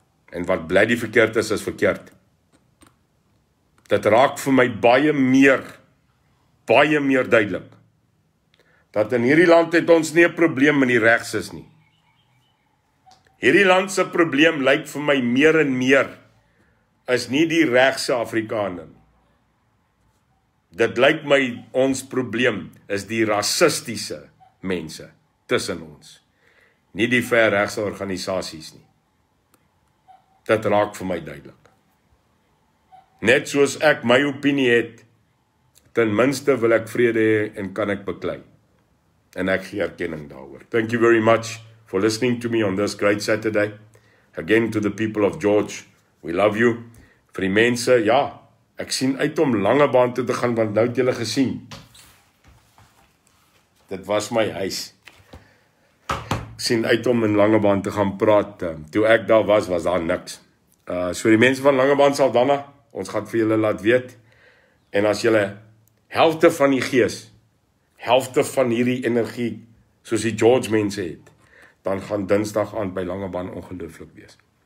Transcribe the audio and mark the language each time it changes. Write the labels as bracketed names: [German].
[Afrikaans] En wat bly die verkeerd is, is verkeerd. Dit raak vir my baie meer duidelik, dat in hierdie land het ons nie 'n probleem met die regs is nie. Hierdie land se probleem lyk vir my meer en meer, is nie die regse Afrikaner. Dit lyk my ons probleem is die rassistiese mense tussen ons. Nie die ver regse organisasies nie. Dit raak vir my duidelik. Net soos ek my opinie het, ten minste wil ek vrede hê en kan ek beklei. En ek gee erkenning daaroor. [English] Thank you very much for listening to me on this great Saturday. Again to the people of George, we love you. [Afrikaans] Vir die mense, ja, ek sien uit om lange baan toe te gaan, want nou het julle gesien. Dit was my huis. Sien uit om in Langebaan te gaan praat. Toe ek daar was, was daar niks. So die mense van Langebaan sal dan, ons gaan vir julle laat weet. En as julle helfte van die gees, helfte van hierdie energie, soos die George mense het, dan gaan Dinsdag aand by Langebaan ongelooflik wees.